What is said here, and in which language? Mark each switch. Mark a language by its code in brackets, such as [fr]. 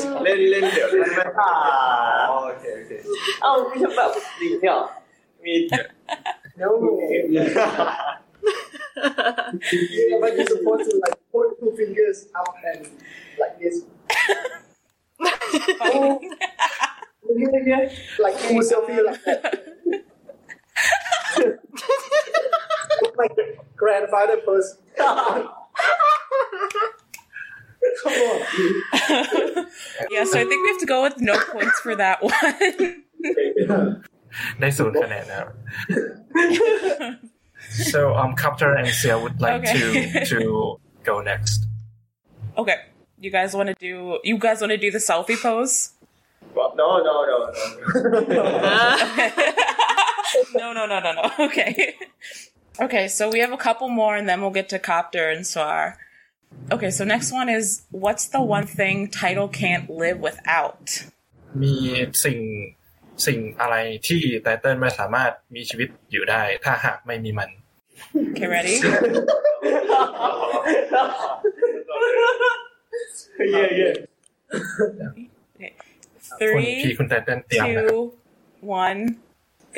[th] เล่นเล่นเดี๋ยวเล่นไม่ผ่านโอเคโอเค เอาแบบดีเนาะมี เนื้อหมู [en] Yeah, but you're supposed to like put two fingers up and like this. Oh, yeah, yeah. Like two selfies like that. My grandfather first. Come on. Yeah, so I think we have to go with no points for that one. Nice one, Kanan. Yeah. So, Copter and Sia would like to go next. Okay, you guys want to do the selfie pose? Well, no. No. Okay. So we have a couple more, and then we'll get to Copter and Soar. Okay, so next one is: what's the one thing Tidal can't live without? Me sing. [th] สิ่งอะไรที่ไทเทิลไม่สามารถมีชีวิตอยู่ได้ถ้าหากไม่มีมัน [en] โอเค ready yeah yeah 3 2 1